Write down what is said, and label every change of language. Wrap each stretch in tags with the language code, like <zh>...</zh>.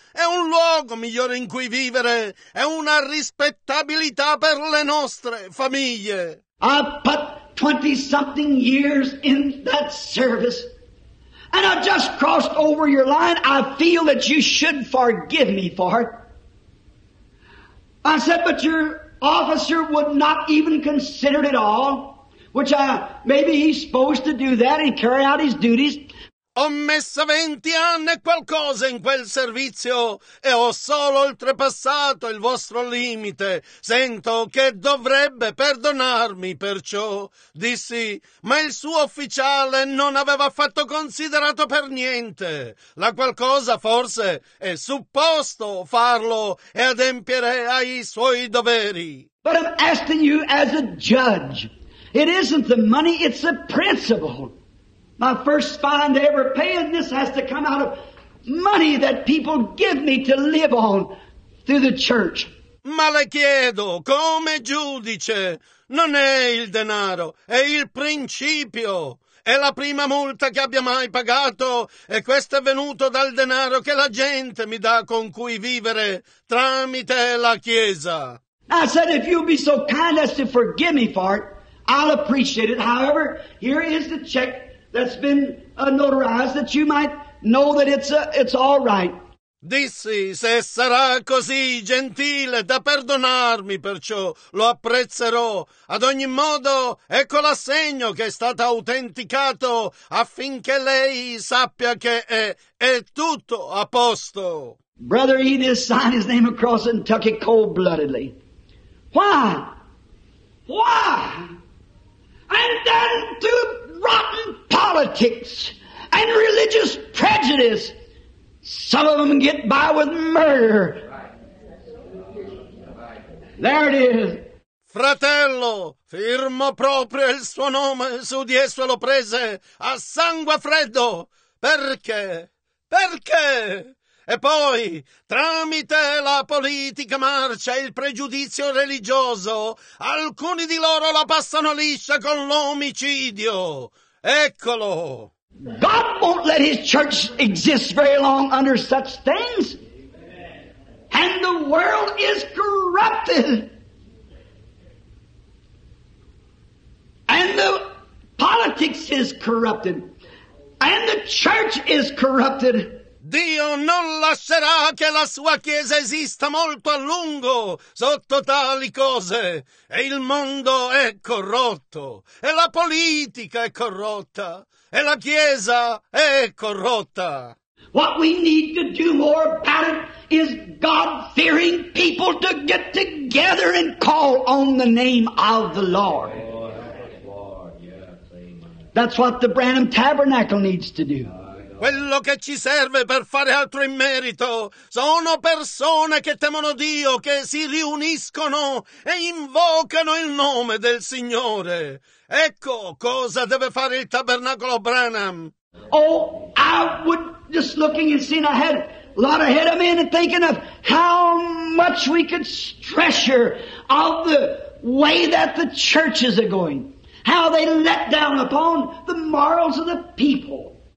<it>È un luogo migliore in cui vivere, è una rispettabilità per le nostre famiglie.</it> <en>I put 20 something years in that service, and I just crossed over your line. I feel that you should forgive me for it. I said, but your officer would not even consider it at all, which maybe he's supposed to do that and carry out his duties.</en> <it>Ho messo 20 anni e qualcosa in quel servizio e ho solo oltrepassato il vostro limite. Sento che dovrebbe perdonarmi perciò, dissi, ma il suo ufficiale non aveva affatto considerato per niente. La qualcosa forse è supposto farlo e adempiere ai suoi doveri.</it> <en>But I'm asking you as a judge. It isn't the money, it's the principle. My first fine to ever pay, and this has to come out of money that people give me to live on through the church.</en> <it>Ma le chiedo, come giudice, non è il denaro, è il principio. È la prima multa che abbia mai pagato, e questo è venuto dal denaro che la gente mi dà con cui vivere tramite la Chiesa.</it> <en>I said, if you'll be so kind as to forgive me for it, I'll appreciate it. However, here is the check that's been notarized that you might know that it's all right.</en> <it>Dissi, se sarà così gentile da perdonarmi, perciò lo apprezzerò. Ad ogni modo, ecco l'assegno che è stato autenticato affinché lei sappia che è tutto a posto.</it> <en>Brother Enos signed his name across Kentucky cold-bloodedly. Why? Why? And then to rotten politics and religious prejudice. Some of them get by with murder. There it is.</en> <it>Fratello, firmo proprio il suo nome su di esso e lo prese a sangue freddo. Perché? Perché? E poi, tramite la politica marcia e il pregiudizio religioso, alcuni di loro la passano liscia con l'omicidio. Eccolo!</it> <en>God won't let his church exist very long under such things. And the world is corrupted. And the politics is corrupted. And the church is corrupted.</en> <it>Dio non lascerà che la sua chiesa esista molto a lungo sotto tali cose. E il mondo è corrotto, e la politica è corrotta, e la chiesa è corrotta.</it> <en>What we need to do more about it is God-fearing people to get together and call on the name of the Lord. That's what the Branham Tabernacle needs to do.</en> <it>Quello che ci serve per fare altro in merito sono persone che temono Dio, che si riuniscono e invocano il nome del Signore. Ecco cosa deve fare il tabernacolo Branham.</it> <en>Oh, I would just looking and seeing ahead, a lot ahead of me and thinking of how much we could treasure of the way that the churches are going, how they let down upon the morals of the people.</en>